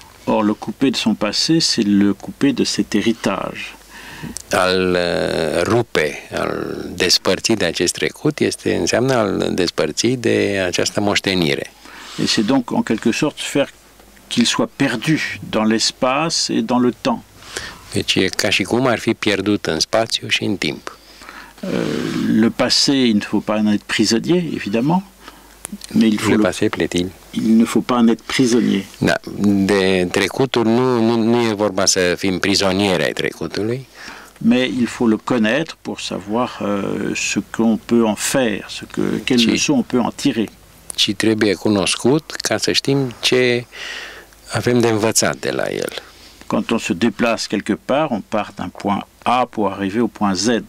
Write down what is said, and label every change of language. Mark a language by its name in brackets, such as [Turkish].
[French] Or, le coupé de son passé, c'est le coupé de cet héritage. [Romanian] Al rupe, al despărți de acest trecut, este înseamnă al despărți de această moștenire. [French] Et c'est donc, en quelque sorte, faire qu'il soit perdu dans l'espace et dans le temps. [Romanian] Deci e ca și cum ar fi pierdut în spațiu și în timp. [French] Le passé, il ne faut pas en être prisonnier, évidemment. Mais il faut le passé, plaît-il. Il ne faut pas en être prisonnier. [Romanian] Da, de trecutul nu e vorba să fim prizonieri ai trecutului. [French] Mais il faut le connaître pour savoir ce qu'on peut en faire, quelles leçons on peut en tirer. [Romanian] Ci trebuie cunoscut ca să știm ce avem de învățat de la el. [French] Quand on se déplace quelque part, on part d'un point A pour arriver au point Z.